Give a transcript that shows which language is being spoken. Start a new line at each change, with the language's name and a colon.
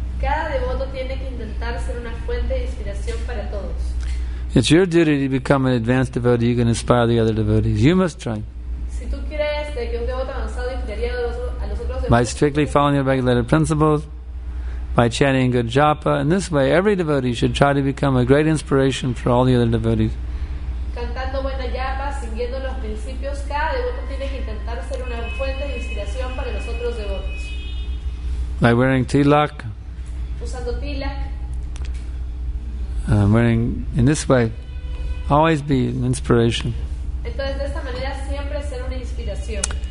Spanish: Cada devoto tiene que intentar ser una fuente de inspiración para todos.
English: It's your duty to become an advanced devotee. You can inspire the other devotees. You must try.
Spanish: Si tú quieres que un devoto avanzado inspire a los otros.
English: By strictly following the regulated principles, by chanting good japa. In this way, every devotee should try to become a great inspiration for all the other devotees.
Spanish: Cantando buena japa, siguiendo los principios, cada devoto tiene que intentar ser una fuente de inspiración para los otros devotos.
English: By wearing tilak.
Spanish: Usando tilak.
English: Wearing, in this way, always be an inspiration.
Spanish: Entonces, de esta manera, siempre ser una inspiración.